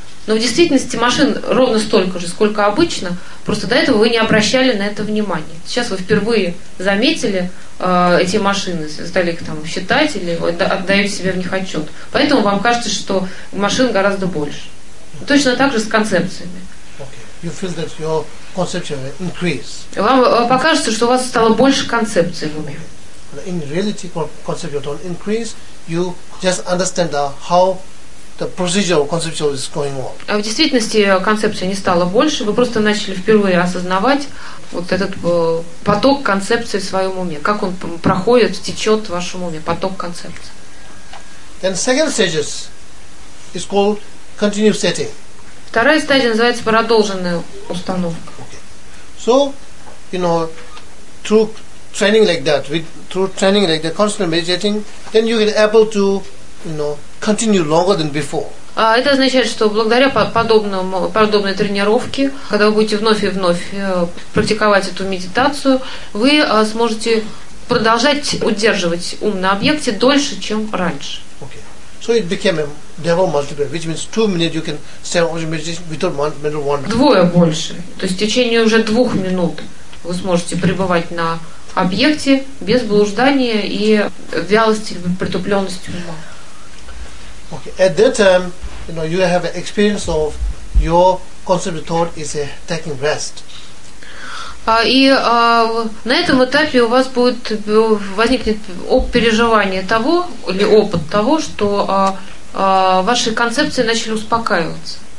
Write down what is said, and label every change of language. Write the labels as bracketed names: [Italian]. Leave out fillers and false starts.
[Russian] Но в действительности машин ровно столько же, сколько обычно. Просто до этого вы не обращали на это внимание. Сейчас вы впервые заметили эти машины, стали их там считать или отдаете себе в них отчет. Поэтому вам кажется, что машин гораздо больше. Точно так же с концепциями. Okay. [English] You feel that your conception increase. [Russian] Вам покажется, что у вас стало больше концепций в уме. Okay. [English] In reality, conceptual don't increase. You just understand how the procedure of conceptual is going on. [Russian] А в действительности концепция не стала больше. Вы просто начали впервые осознавать вот этот поток концепций в своем уме. Как он проходит, течет в вашем уме, поток концепций. [English] Then second stages is called continue setting. [Russian] Вторая стадия называется продолженная установка. [English] So, you know, through training like that, constantly meditating, then you get able to, you know, continue longer than before. [Russian] Это означает, что благодаря подобной тренировке, когда вы будете вновь и вновь практиковать эту медитацию, вы сможете продолжать удерживать ум на объекте дольше, чем раньше. [English] So it became a double multiplier, which means 2 minutes you can stay on meditation without mental wandering. [Russian] Двое больше. То есть в течение уже 2 минут вы сможете пребывать на объекте без блуждания и вялости, притупленности ума. Okay. [English] At that time, you know, you have an experience of your concept of thought is taking rest. [Russian] На этом этапе у вас будет возникнет переживание того или опыт того, что ваши концепции начали успокаиваться.